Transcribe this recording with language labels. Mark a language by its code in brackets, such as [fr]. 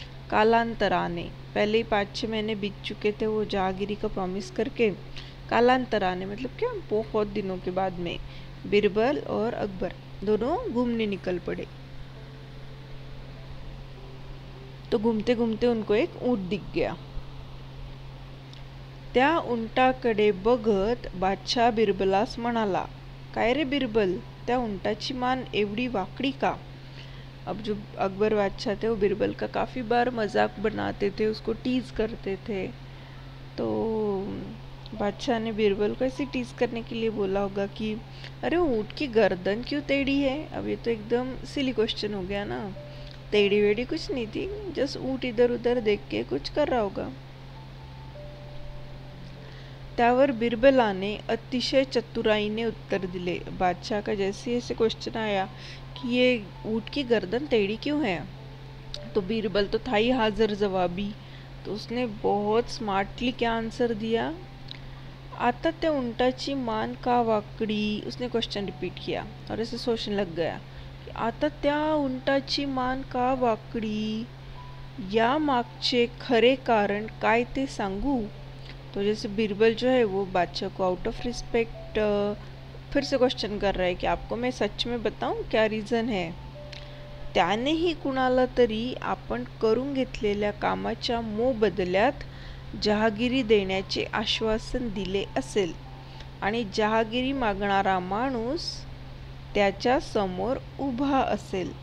[hi] कालांतराने, पहले ही 5-6 महीने बीत चुके थे वो जहांगीरी का प्रॉमिस करके, कालांतराने मतलब क्या, बहुत दिनों के बाद में बीरबल और अकबर दोनों घूमने निकल पड़े। तो घूमते घूमते उनको एक ऊंट दिख गया। [mr] त्या उंटाकडे बघत बादशाह बिरबलास म्हणाला, काय रे बिरबल, त्या उंटाची मान एवढी वाकडी का? [hi] अब जो अकबर बादशाह थे वो बिरबल का काफ़ी बार मजाक बनाते थे, उसको टीज करते थे, तो बादशाह ने बिरबल को ऐसे टीज करने के लिए बोला होगा कि अरे ऊँट की गर्दन क्यों टेढ़ी है? अब ये तो एकदम सिली क्वेश्चन हो गया ना, टेढ़ी वेढ़ी कुछ नहीं थी, जस्ट ऊँट इधर उधर देख के कुछ कर रहा होगा। [mr] त्यावर बिरबलाने अतिशय चतुराई ने उत्तर दिले। [hi] बादशाह का जैसे ऐसे क्वेश्चन आया कि ये ऊँट की गर्दन टेढ़ी क्यों है, तो बीरबल तो था ही हाजिर जवाबी, तो उसने बहुत स्मार्टली क्या आंसर दिया, [mr] आता त्या उंटाची मान का वाकड़ी, [hi] उसने क्वेश्चन रिपीट किया और ऐसे सोचने लग गया कि [mr] आता त्या उंटाची मान का वाकड़ी, या मागचे खरे कारण काय ते सांगू। [hi] तो जैसे बीरबल जो है वो बादशाह को [en] out of respect [hi] फिर से क्वेश्चन कर रहा है कि आपको मैं सच में बताऊं क्या रीजन है। [mr] त्याने ही कुणाला तरी आपण करून घेतलेल्या कामाच्या मोबदल्यात जहागिरी देण्याचे आश्वासन दिले असेल, आणि जहागिरी मागणारा माणूस त्याच्या समोर उभा असेल।